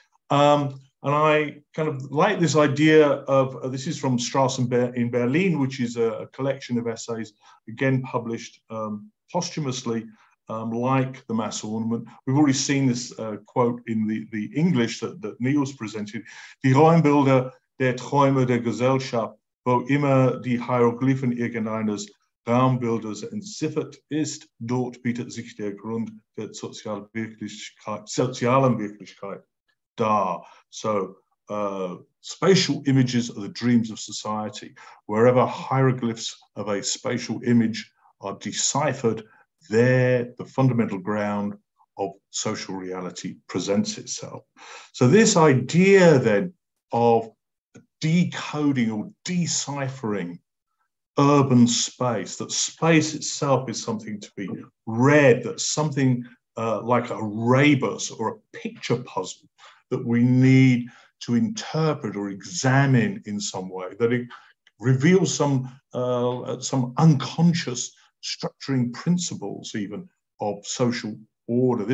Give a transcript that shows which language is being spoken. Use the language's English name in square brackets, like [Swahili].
[English] And I kind of like this idea of, this is from Straßenberg in Berlin, which is a collection of essays, again, published posthumously, like the mass ornament. We've already seen this quote in the English that Niels presented. [German] Die Räumbilder der Träume der Gesellschaft, wo immer die Hieroglyphen irgendeines Raumbildes entziffert ist, dort bietet sich der Grund der sozialen Wirklichkeit dar. [English] So spatial images are the dreams of society. Wherever hieroglyphs of a spatial image are deciphered, there the fundamental ground of social reality presents itself. So this idea then of decoding or deciphering urban space, that space itself is something to be read, that something like a rebus or a picture puzzle that we need to interpret or examine in some way, that it reveals some unconscious structuring principles even of social order.